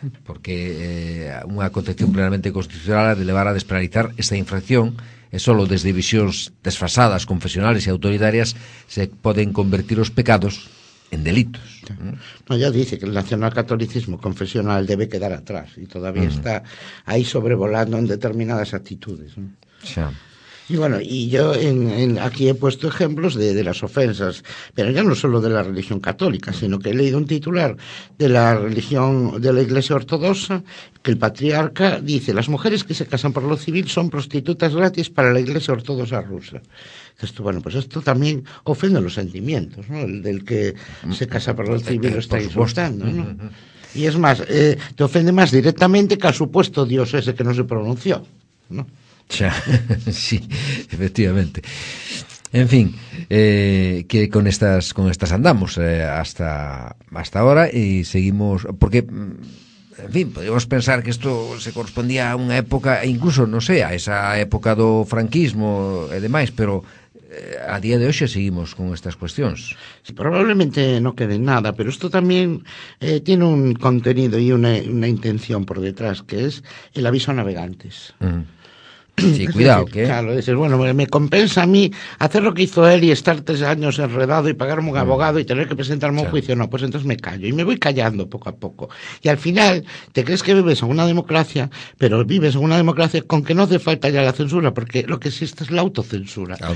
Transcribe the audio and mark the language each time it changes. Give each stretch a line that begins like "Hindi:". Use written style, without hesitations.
Galician: Porque unha concepción plenamente constitucional ha de levar a despenalizar esta infracción, e solo desde visións desfasadas, confesionales e autoritarias se poden convertir os pecados en delitos.
Spanish: No, ya dice que el nacionalcatolicismo confesional debe quedar atrás y todavía está ahí sobrevolando en determinadas actitudes, ¿no? Y bueno, y yo aquí he puesto ejemplos de las ofensas, pero ya no solo de la religión católica, sino que he leído un titular de la religión de la Iglesia Ortodoxa, que el patriarca dice, las mujeres que se casan por lo civil son prostitutas gratis para la Iglesia Ortodoxa rusa. Esto, bueno, pues esto también ofende los sentimientos, ¿no? El del que se casa por lo civil lo está insultando, ¿no? Y es más, te ofende más directamente que al supuesto Dios ese que no se pronunció, ¿no? Sí, efectivamente. En fin, que con estas andamos hasta ahora y seguimos, porque En fin, podríamos pensar que esto se correspondía a una época, incluso, no sé, a esa época
Galician: do franquismo e demais,
Spanish: pero
Galician: a día de hoxe seguimos con estas cuestións. Sí, probablemente non quede nada, pero isto tamén tiene un contenido e unha intención por detrás, que é el aviso a navegantes.
Spanish: Sí, cuidado, que... Claro, dices, bueno, me compensa a mí hacer lo que hizo él y estar 3 años enredado y pagarme un abogado y tener que presentarme un juicio. No, pues entonces me callo y me voy callando poco a poco. Y al final, te crees que vives en una democracia, pero vives en una democracia con que no hace falta ya la censura, porque lo que existe es la autocensura.